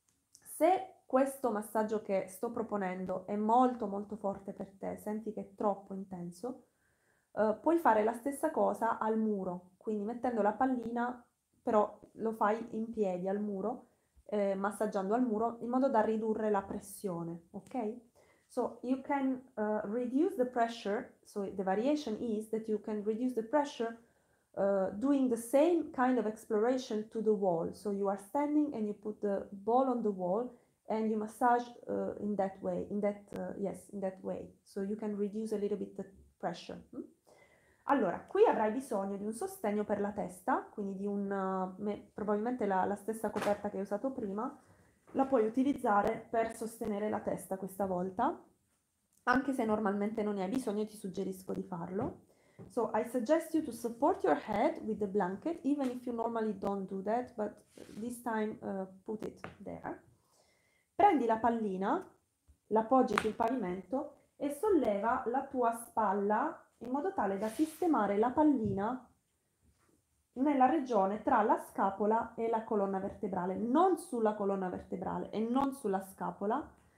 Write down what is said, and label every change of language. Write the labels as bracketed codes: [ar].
[it] Se questo massaggio che sto proponendo è molto molto forte per te, senti che è troppo intenso, puoi fare la stessa cosa al muro, quindi mettendo la pallina, però lo fai in piedi al muro, massaggiando al muro in modo da ridurre la pressione, ok? [en] So you can reduce the pressure, so the variation is that you can reduce the pressure doing the same kind of exploration to the wall. So you are standing and you put the ball on the wall. And you massage in that way, in that way. So you can reduce a little bit the pressure. [it] Allora, qui avrai bisogno di un sostegno per la testa, quindi di probabilmente la stessa coperta che hai usato prima, la puoi utilizzare per sostenere la testa questa volta. Anche se normalmente non ne hai bisogno, ti suggerisco di farlo. [en] So I suggest you to support your head with the blanket, even if you normally don't do that, but this time put it there. [it] Prendi la pallina, l'appoggi sul pavimento e solleva la tua spalla in modo tale da sistemare la pallina nella regione tra la scapola e la colonna vertebrale, non sulla colonna vertebrale e non sulla scapola.